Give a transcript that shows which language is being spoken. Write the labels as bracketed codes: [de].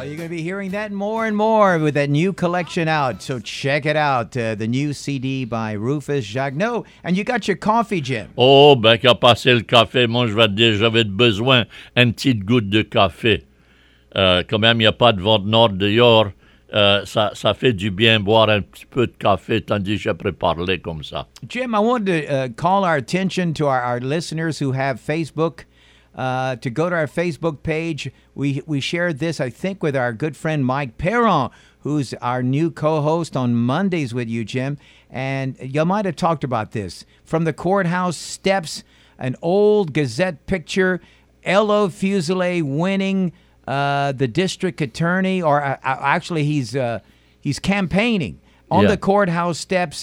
[en] Hearing that more and more with that new collection out, so check it out, the new CD by Rufus Jagnot. And you got your coffee, Jim. [fr] Oh, ben qu'a passé le café, moi je vais te dire, j'avais besoin une petite goutte de café. Quand même, il n'y a pas de vent nord dehors, ça fait du bien boire un petit peu de café, tandis que j'ai préparé comme ça. [en] Jim, I wanted to call our attention to our listeners who have Facebook. To go to our Facebook page, we shared this, I think, with our good friend Mike Perron, who's our new co-host on Mondays with you, Jim. And you might have talked about this. From the courthouse steps, an old Gazette picture, Elo Fuselier winning the district attorney, or actually he's campaigning on the courthouse steps.